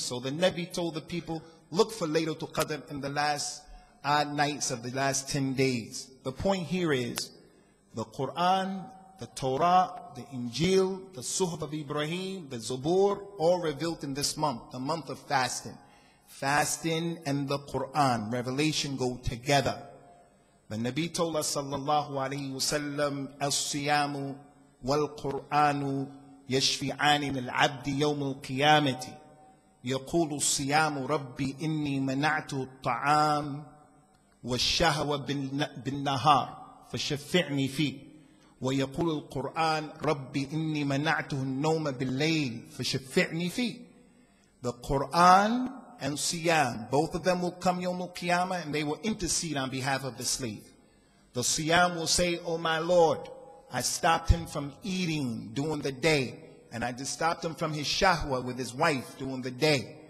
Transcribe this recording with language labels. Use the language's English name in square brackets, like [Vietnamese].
[English] So the Nabi told the people, look for Laylatul Qadr in the last odd nights of the last 10 days. The point here is, the Quran, the Torah, the Injil, the Suhuf of Ibrahim, the Zubur, all revealed in this month, the month of fasting. Fasting and the Quran, revelation go together. The Nabi told us, [Arabic] sallallahu alayhi wa sallam, as-siyamu wal-Qur'anu, يشفعان للعبد يوم القيامة يقول الصيام ربي إني منعت الطعام والشهوة بالنهار فشفعني فيه ويقول القرآن ربي إني منعت النوم بالليل فشفعني فيه. [English] The Quran and Siyam, both of them will come [Arabic] يوم القيامة, [English] and they will intercede on behalf of the slave. The Siyam will say, oh my Lord, I stopped him from eating during the day. And I just stopped him from his shahwa with his wife during the day.